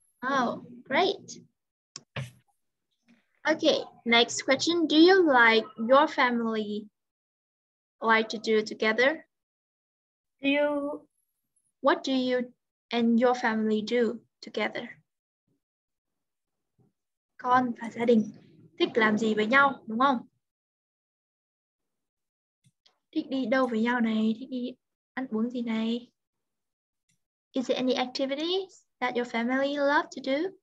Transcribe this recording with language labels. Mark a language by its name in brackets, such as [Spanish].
[English] Oh, great. Okay, next question. Do you like your family like to do together? What do you and your family do together? [Vietnamese] Con và gia đình thích làm gì với nhau, đúng không? Thích đi đâu với nhau này, thích đi ăn uống gì này? [English] Is there any activities that your family love to do?